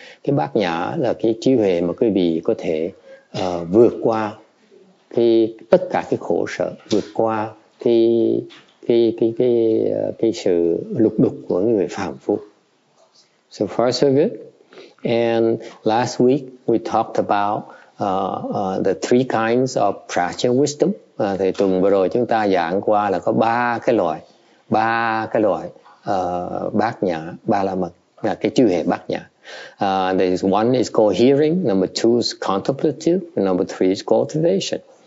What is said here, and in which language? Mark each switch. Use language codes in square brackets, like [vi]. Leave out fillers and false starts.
[vi] Cái bát nhã là cái trí huệ mà quý vị có thể vượt qua cái tất cả cái khổ sở, vượt qua cái sự lục đục của người phàm phu. [en] So far so good. And last week we talked about the three kinds of prajna wisdom. [vi] Thì tuần vừa rồi chúng ta giảng qua là có ba cái loại bát nhã ba la mật, là cái chư hệ bát nhã. [en] There is one is called hearing, number two is contemplative, number three is cultivation.